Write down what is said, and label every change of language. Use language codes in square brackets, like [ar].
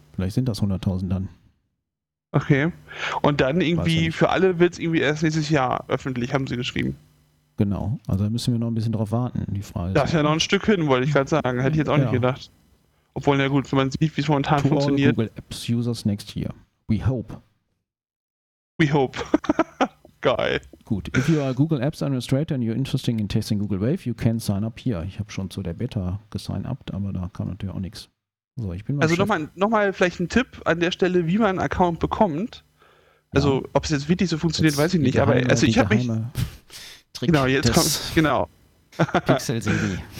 [de] Vielleicht sind das 100.000 dann. Okay. Und dann irgendwie für alle wird es irgendwie erst nächstes Jahr öffentlich, haben sie geschrieben. Genau. Also da müssen wir noch ein bisschen drauf warten, die Frage. Das ist ja noch ein Stück hin, wollte ich gerade sagen. Hätte ich jetzt auch nicht gedacht. Obwohl, na gut, wenn man sieht, wie es momentan funktioniert. [en] Google Apps Users next year. We hope. We hope. [de] Geil. Gut. [en] If you are a Google Apps Administrator and you're interested in testing Google Wave, you can sign up here. [de] Ich habe schon zu der Beta gesigned, aber da kam natürlich auch nichts. So, ich bin mal. Also nochmal vielleicht ein Tipp an der Stelle, wie man einen Account bekommt. Also ja. Ob es jetzt wirklich so funktioniert, jetzt weiß ich nicht. Geheime, aber also ich habe mich. Trick genau, jetzt kommt. Genau. Pixel-CD.